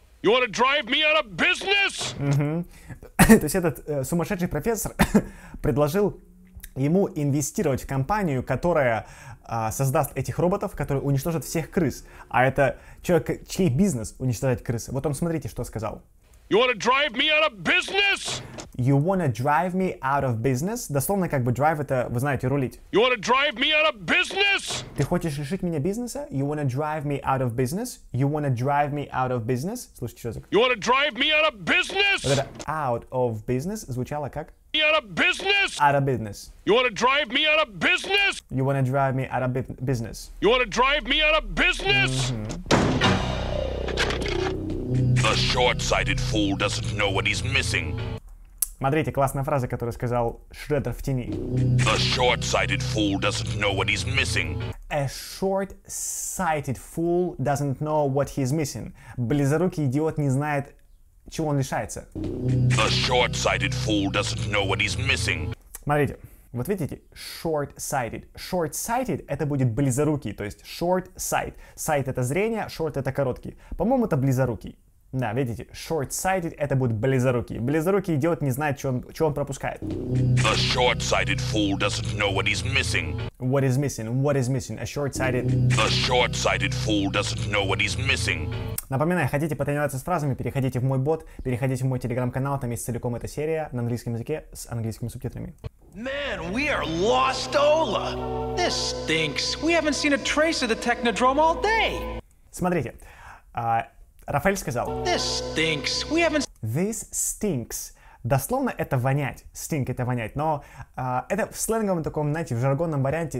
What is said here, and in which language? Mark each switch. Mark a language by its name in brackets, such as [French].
[English] You want to drive me out of business? [Russian] То есть этот сумасшедший профессор предложил ему инвестировать в компанию, которая создаст этих роботов, которые уничтожат всех крыс. А это человек, чей бизнес уничтожать крысы. Вот он, смотрите, что сказал. [English] You wanna drive me out of business? You wanna drive me out of business? [Russian] Дословно, как бы drive это, вы знаете, рулить. [English] You wanna drive me out of business? [Russian] Ты хочешь лишить меня бизнеса? [English] You wanna drive me out of business? You wanna drive me out of business? [Russian] Слушайте, что за... [English] You wanna drive me out of business? [Russian] Вот это [English] out of business [Russian] звучало как? [English] Out of business. Out of business. You wanna drive me out of business? You wanna drive me out of business? You wanna drive me out of business? The short-sighted fool doesn't know what he's missing. [Russian] Смотрите, классная фраза, которую сказал Шреддер в тени. [English] The short-sighted fool doesn't know what he's missing. A short-sighted fool doesn't know what he's missing. [Russian] Близорукий идиот не знает, чего он лишается. [English] The short-sighted fool doesn't know what he's missing. [Russian] Смотрите, вот видите, short-sighted. Short-sighted — это будет близорукий, то есть short-sight. Sight — это зрение, short — это короткий. По-моему, это близорукий. Да, видите, short-sighted — это будет близорукий. Близорукий идиот не знает, что он пропускает. [English] The short-sighted fool doesn't know what he's missing. What is missing? What is missing? A short-sighted... The short-sighted fool doesn't know what he's missing. [Russian] Напоминаю, хотите потренироваться с фразами, переходите в мой бот, переходите в мой телеграм-канал, там есть целиком эта серия на английском языке с английскими субтитрами. [English] Man, we are lost, Ola! This stinks. We haven't seen a trace of the Technodrome all day. [Russian] Смотрите, Рафаэль сказал... [English] This stinks. We haven't... This stinks. [Russian] Дословно это вонять. Stink — это вонять. Но это в сленговом таком, знаете, в жаргонном варианте.